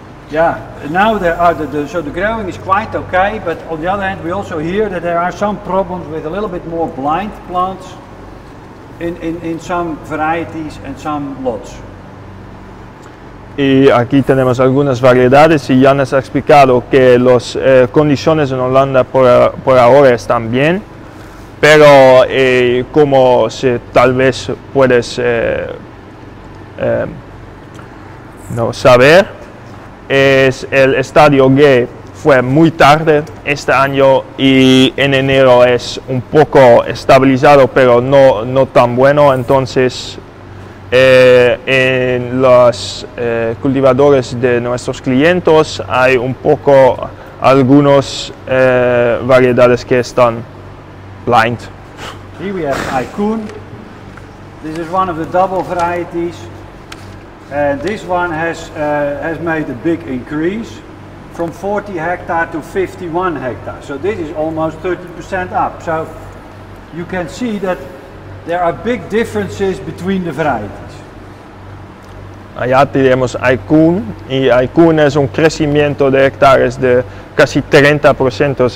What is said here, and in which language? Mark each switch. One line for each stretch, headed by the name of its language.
English: The growing is quite okay, but on the other hand, we also hear that there are some problems with a little bit more blind plants in some varieties and some lots.
Spanish: Y aquí tenemos algunas variedades y ya nos ha explicado que las condiciones en Holanda por ahora están bien, pero como si tal vez puedes no saber, es el estadio G fue muy tarde este año y en enero es un poco estabilizado, pero no tan bueno. Entonces en los cultivadores de nuestros clientes hay un poco algunas variedades que están blind.
English: Here we have Icoon. This is one of the double varieties. And this one has made a big increase from 40 hectares to 51 hectares. So this is almost 30% up. So you can see that there are big differences between the varieties.
Spanish: Allá tenemos Icoon, y Icoon es un crecimiento de hectáreas de casi 30%.